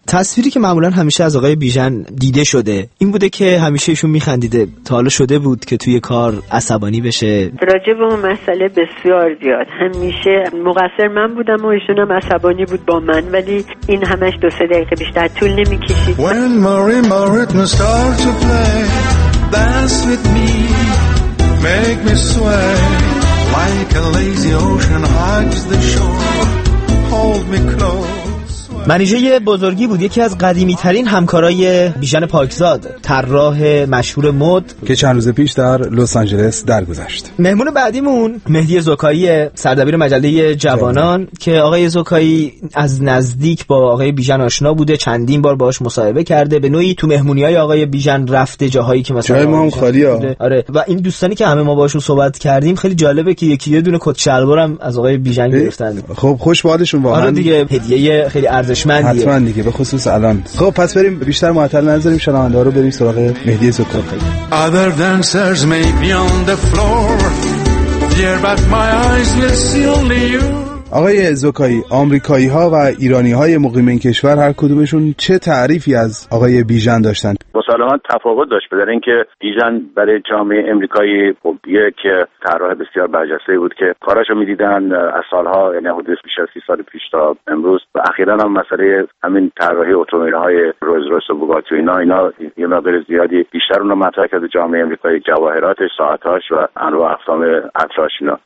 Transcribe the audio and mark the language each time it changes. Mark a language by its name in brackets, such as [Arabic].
[Persian] تصویری که معمولا همیشه از آقای بیژن دیده شده این بوده که همیشه ایشون میخندیده. تا حالا شده بود که توی کار عصبانی بشه؟ راجع به اون مسئله بسیار زیاد، همیشه مقصر من بودم و ایشون هم عصبانی بود با من، ولی این همش دو سه دقیقه بیشتر طول نمیکشید. [English] When Marie start to play dance with me make me sway like a lazy ocean hugs the shore hold me close. [Persian] منیژه بزرگی بود، یکی از قدیمی ترین همکارای بیژن پاکزاد، طراح مشهور مد که چند روز پیش در لس آنجلس درگذشت. مهمون بعدیمون مهدی زوکایی، سردبیر مجله جوانان، که آقای زوکایی از نزدیک با آقای بیژن آشنا بوده، چندین بار باهاش مصاحبه کرده، به نوعی تو مهمونی‌های آقای بیژن رفته، جاهایی که مثلا جای ما هم خالیه. آره، و این دوستانی که همه ما باهاشون صحبت کردیم، خیلی جالبه که یکی یه دونه کت شلوارم از آقای بیژن گرفتن. خب خوش بادشون واقعا. آره دیگه، هدیه خیلی حتما دیگه، به خصوص الان. خب پس بریم بیشتر معطل نذاریم شنونده رو، بریم سراغ مهدی زوکایی. [English] Other dancers may be on the floor dear but my eyes will see only you. [Persian] آقای زوکایی، آمریکایی ها و ایرانی های مقیم این کشور هر کدومشون چه تعریفی از آقای بیژن داشتن؟ مسلماً تفاوت داشت، به دلیل اینکه بیژن برای جامعه آمریکایی خب یک طراح بسیار برجسته بود که کاراشو می‌دیدن از سالها، یعنی حدود بیش از 30 سال پیش تا امروز، و اخیراً هم مسئله همین طراحی اتومبیل‌های رولز‌رویس و بوگاتی و اینا یه مقدار زیادی بیشتر اونو مطرح کرده جامعه آمریکایی، جواهراتش، ساعت‌هاش و انواع اقسام اطلاعش اینا.